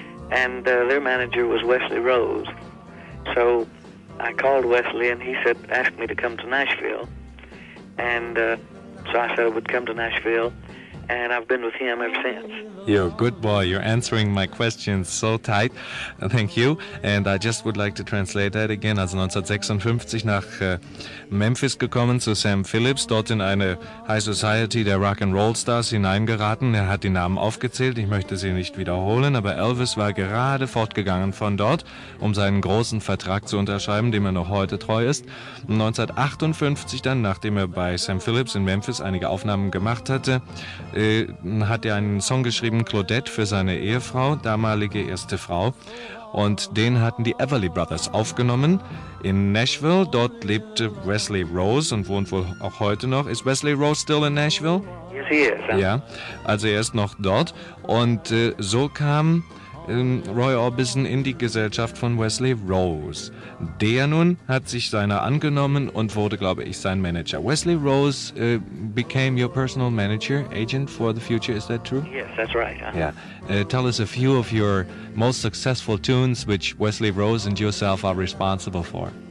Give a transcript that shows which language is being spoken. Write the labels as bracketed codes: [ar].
[en] And their manager was Wesley Rose. So I called Wesley, and he said, asked me to come to Nashville. And so I said I would come to Nashville, and I've been with him ever since. You're a good boy. You're answering my questions so tight. Thank you. And I just would like to translate that again. [de] Also 1956 nach Memphis gekommen zu Sam Phillips, dort in eine High Society der Rock'n'Roll-Stars hineingeraten. Er hat die Namen aufgezählt, ich möchte sie nicht wiederholen, aber Elvis war gerade fortgegangen von dort, um seinen großen Vertrag zu unterschreiben, dem er noch heute treu ist. 1958 dann, nachdem er bei Sam Phillips in Memphis einige Aufnahmen gemacht hatte, hat er einen Song geschrieben, Claudette, für seine Ehefrau, damalige erste Frau. Und den hatten die Everly Brothers aufgenommen in Nashville. Dort lebte Wesley Rose und wohnt wohl auch heute noch. Ist [en] Wesley Rose still in Nashville? Yes, he is. [de] Ja, also er ist noch dort. Und so kam Roy Orbison in die Gesellschaft von Wesley Rose. Der nun hat sich seiner angenommen und wurde, glaube ich, sein Manager. [en] Wesley Rose became your personal manager, agent for the future, is that true? Yes, that's right. Uh-huh. Yeah. Tell us a few of your most successful tunes which Wesley Rose and yourself are responsible for.